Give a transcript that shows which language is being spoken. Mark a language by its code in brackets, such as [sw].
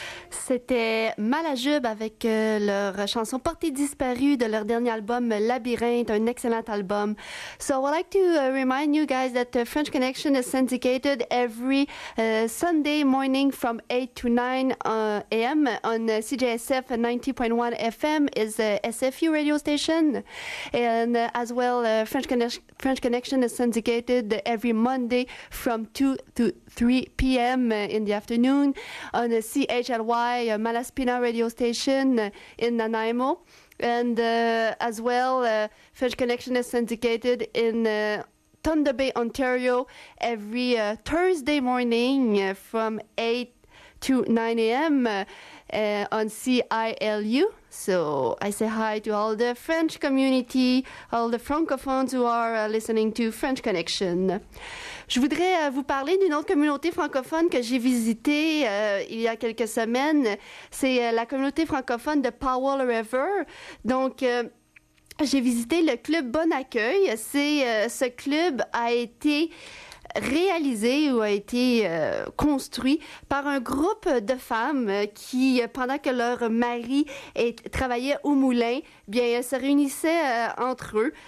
[fr] C'était Malajube avec leur chanson Portée disparue de leur dernier album Labyrinthe, un excellent album. [en] So I would like to remind you guys that French Connection is syndicated every Sunday morning from 8 to 9 a.m. on CJSF 90.1 FM is SFU radio station. And as well, French Connection is syndicated every Monday from 2 to 3 p.m. In the afternoon on CHLY Malaspina radio station in Nanaimo. And as well, French Connection is syndicated in Thunder Bay, Ontario every Thursday morning from 8 to 9 a.m. On CILU. So I say hi to all the French community, all the francophones who are listening to French Connection. [fr] Je voudrais vous parler d'une autre communauté francophone que j'ai visitée il y a quelques semaines. C'est la communauté francophone de Powell River. Donc, j'ai visité le club Bon Accueil. C'est, ce club a été réalisé ou a été construit par un groupe de femmes qui, pendant que leur mari travaillait au moulin, bien, elles se réunissaient entre eux.